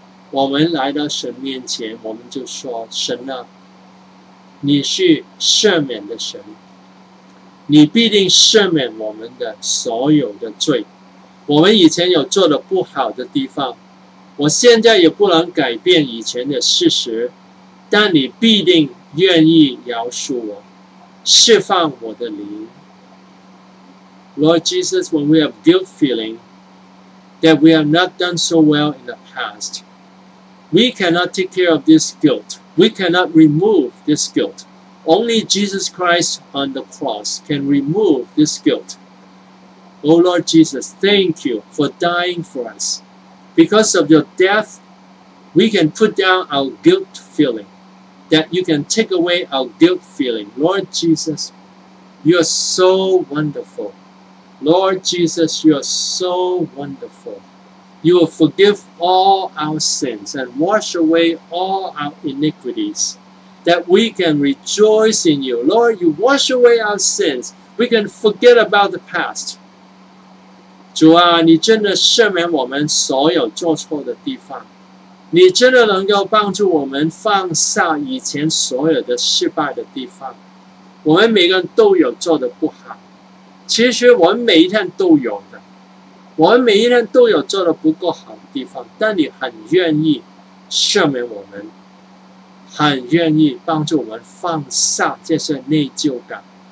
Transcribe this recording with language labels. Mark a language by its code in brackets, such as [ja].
[zh] 我们来到神面前，我们就说：神啊，你是赦免的神，你必定赦免我们的所有的罪。我们以前有做的不好的地方，我现在也不能改变以前的事实，但你必定愿意饶恕我，释放我的灵。 [en] Lord Jesus, when we have guilt feeling that we have not done so well in the past, we cannot take care of this guilt. We cannot remove this guilt. Only Jesus Christ on the cross can remove this guilt. Oh Lord Jesus, thank you for dying for us. Because of your death, we can put down our guilt feeling, that you can take away our guilt feeling. Lord Jesus, you are so wonderful. Lord Jesus, you are so wonderful. You will forgive all our sins and wash away all our iniquities, that we can rejoice in you. Lord, you wash away our sins. We can forget about the past. [zh] 主啊，你真的赦免我们所有做错的地方，你真的能够帮助我们放下以前所有的失败的地方。我们每个人都有做的不好，其实我们每一天都有的，我们每一天都有做的不够好的地方，但你很愿意赦免我们，很愿意帮助我们放下这些内疚感。